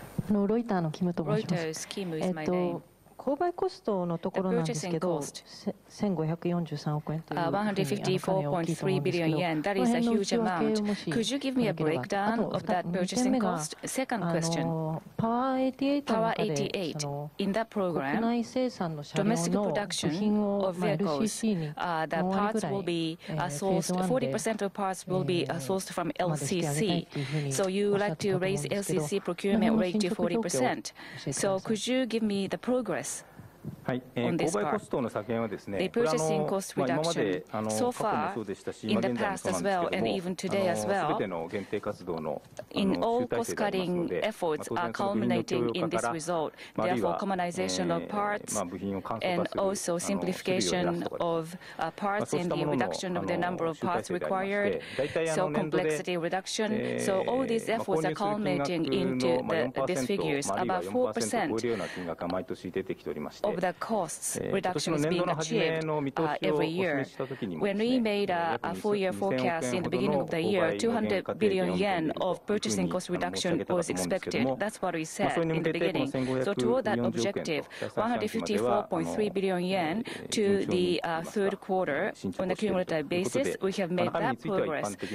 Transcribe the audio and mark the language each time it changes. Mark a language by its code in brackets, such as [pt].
[ja] ロイターのキムと申します。 [en] Reuters, Kim is my name. [ja] 購買コストのところなんですけど、1543億円という金額を聞いたんですけど、この辺の内訳をもし、 [en] could you give me a breakdown of that purchasing cost? Second question. Power 88, in that program, domestic production of vehicles, the parts will be sourced, 40% of parts will be sourced from LCC. So you would like to raise LCC procurement rate to 40%. So could you give me the progress? [ja] はい、購買コストの削減はですね、これは今まで過去もそうでしたし、今現在もそうなんですけれども、すべての限定活動の集大成でありますので、当然その部品の強化から、あるいはコモナイゼーションの部品を簡素化する、 [en] and also simplification of parts and the reduction of the number of parts required, so complexity reduction. So all these efforts are culminating into these figures, about 4%. [ja] 4%を超えるような金額が毎年出てきておりまして。 [en] The costs reduction is being achieved every year. When we made a four-year forecast in the beginning of the year, 200 billion yen of purchasing cost reduction was expected. That's what we said in the beginning. So toward that objective, 154.3 billion yen to the third quarter on a cumulative basis, we have made that progress.